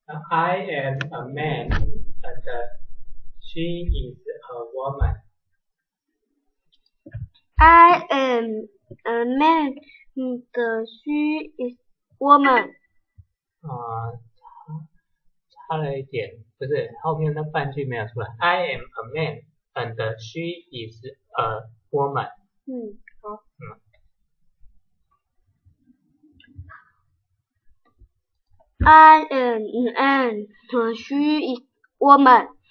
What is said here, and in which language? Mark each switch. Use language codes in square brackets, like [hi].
[en] I am a man, and she is a woman. I am a man, and she is a woman. [zh] 差了一点，不是，后面那半句没有出来。 [en] I am a man, and she is a woman. [zh] 嗯，好。 [en] I am a man, and she is a woman.